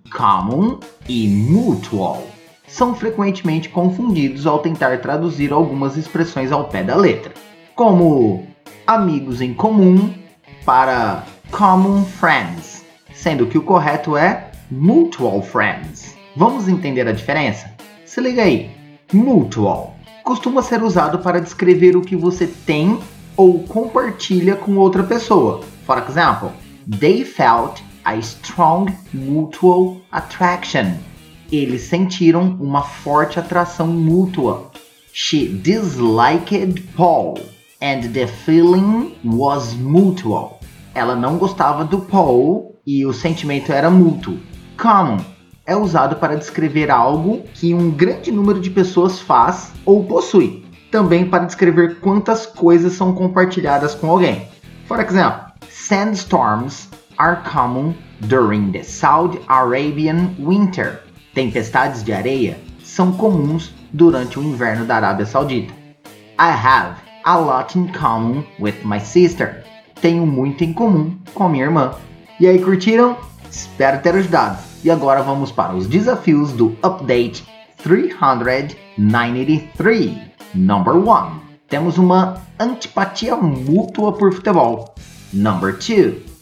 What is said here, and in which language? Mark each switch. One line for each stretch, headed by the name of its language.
Portuguese: Common e mutual são frequentemente confundidos ao tentar traduzir algumas expressões ao pé da letra, como amigos em comum para
English: common friends,
Portuguese: sendo que o correto é
English: mutual friends.
Portuguese: Vamos entender a diferença? Se liga aí. Mutual costuma ser usado para descrever o que você tem ou compartilha com outra pessoa.
English: For example, they felt a strong mutual attraction.
Portuguese: Eles sentiram uma forte atração mútua.
English: She disliked Paul, and the feeling was mutual.
Portuguese: Ela não gostava do Paul e o sentimento era mútuo. Common é usado para descrever algo que um grande número de pessoas faz ou possui. Também para descrever quantas coisas são compartilhadas com alguém.
English: For example, sandstorms are common during the Saudi Arabian winter.
Portuguese: Tempestades de areia são comuns durante o inverno da Arábia Saudita.
English: I have a lot in common with my sister.
Portuguese: Tenho muito em comum com a minha irmã. E aí, curtiram? Espero ter ajudado. E agora vamos para os desafios do Update 393.
English: Number 1.
Portuguese: Temos uma antipatia mútua por futebol.
English: Number 2.